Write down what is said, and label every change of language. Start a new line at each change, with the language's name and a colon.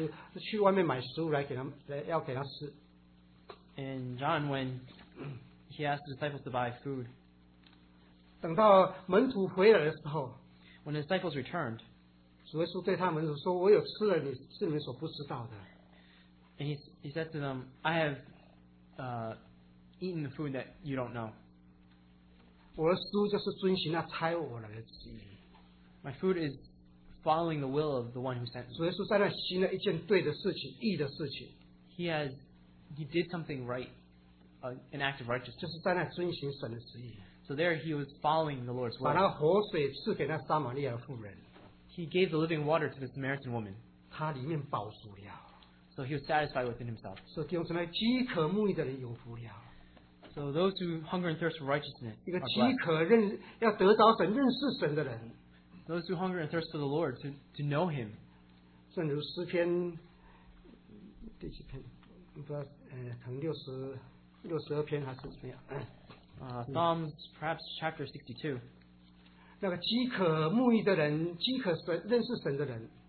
Chinese: 在约翰福音第四章，主耶稣和让撒玛利亚人说话的时候，他门徒去外面买食物来给他，要给他吃。
English: And John, when he asked the disciples to buy food.
Chinese: 等到门徒回来的时候
English: ，When the disciples returned,
Chinese: 主耶稣对他们说：“我有吃了，你是你们所不知道的。”
English: And he said to them, "I have eaten the food that you don't know."
Chinese: 我的食物就是遵循那差我来的旨意。
English: My food is following the will of the one who sent me.
Chinese: 主耶稣在那行了一件对的事情，义的事情。
English: He has, he did something right, an act of righteousness.
Chinese: 就是在那遵循神的旨意。
English: So there he was following the Lord's will.
Chinese: 把那活水赐给那撒玛利亚妇人。
English: He gave the living water to the Samaritan woman.
Chinese: 他里面饱足了。
English: So he was satisfied within himself.
Chinese: 所以弟兄姊妹，饥渴慕义的人有福了。
English: So those who hunger and thirst for righteousness are blessed.
Chinese: 一个饥渴认要得着神认识神的人
English: Those who hunger and thirst for the Lord to know Him.
Chinese: 正如诗篇第几篇，不知道，可能六十二篇还是怎么样？
English: Psalms perhaps chapter 62.
Chinese: 那个饥渴慕义的人，饥渴神认识神的人